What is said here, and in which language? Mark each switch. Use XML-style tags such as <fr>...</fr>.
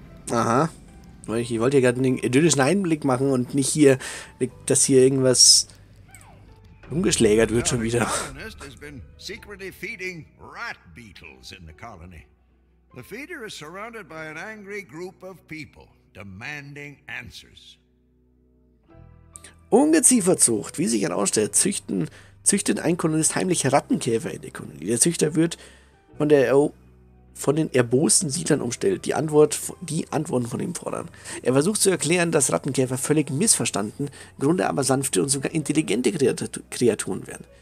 <de>Aha. Ich wollte hier gerade einen idyllischen Einblick machen und nicht hier, dass hier irgendwas umgeschlägert wird schon wieder.</de> <en>Has been secretly feeding rat beetles in the colony. The feeder is surrounded by an angry group of people demanding answers.</en> <de>Ungezieferzucht, wie sich herausstellt, züchtet ein Kolonist heimliche Rattenkäfer in der Kolonie. Der Züchter wird von der von den erbosten Siedlern umstellt, die Antworten von ihm fordern. Er versucht zu erklären, dass Rattenkäfer völlig missverstanden, im Grunde aber sanfte und sogar intelligente Kreaturen wären.</de>